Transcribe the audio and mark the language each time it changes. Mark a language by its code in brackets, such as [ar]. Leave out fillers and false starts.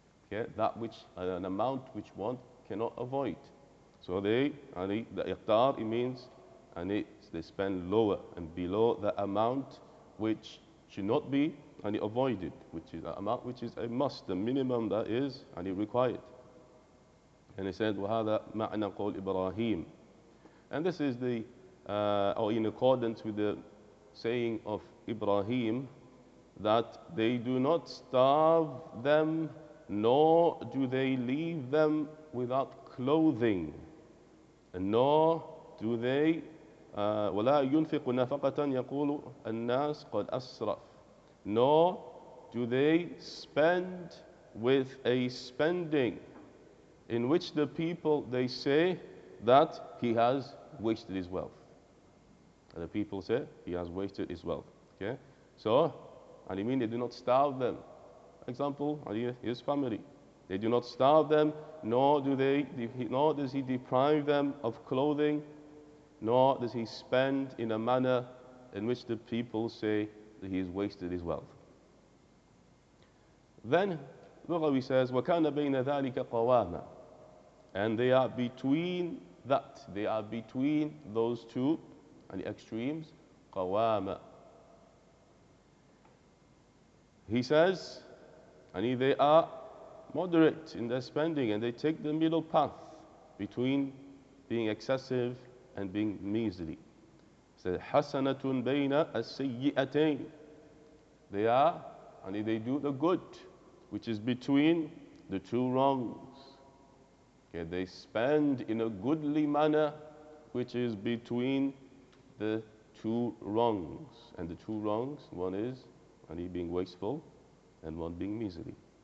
[en] Yeah, that which, an amount which one cannot avoid. So they, the iqtar, it means, and they spend lower and below the amount which should not be and avoided, which is an amount which is a must, the minimum that is and required. And he said, [ar] وَهَذَا مَعْنَا قَوْلْ إِبْرَاهِيمُ. [en] And this is the, or in accordance with the saying of Ibrahim, that they do not starve them, nor do they leave them without clothing, and nor do they, [ar] وَلَا يُنْفِقُ نَفَقَةً يَقُولُ النَّاسِ قَدْ أَسْرَفُ. [en] Nor do they spend with a spending in which the people, they say that he has wasted his wealth. And the people say he has wasted his wealth. Okay? So, and you mean they do not starve them. Example, his family. They do not starve them, nor does he deprive them of clothing, nor does he spend in a manner in which the people say that he has wasted his wealth. Then Lughawi says, [ar] وَكَانَ بَيْنَ ذَلِكَ قَوَامًا. [en] And they are between that. They are between those two and the extremes. [ar] قَوَامَ. [en] He says, and they are moderate in their spending and they take the middle path between being excessive and being measly. He says, [ar] حَسَنَةٌ بَيْنَ السَّيِّئَتَيْنِ. [en] They are, and they do the good, which is between the two wrongs. Okay, they spend in a goodly manner, which is between the two wrongs. And the two wrongs, one is one being wasteful and one being measly.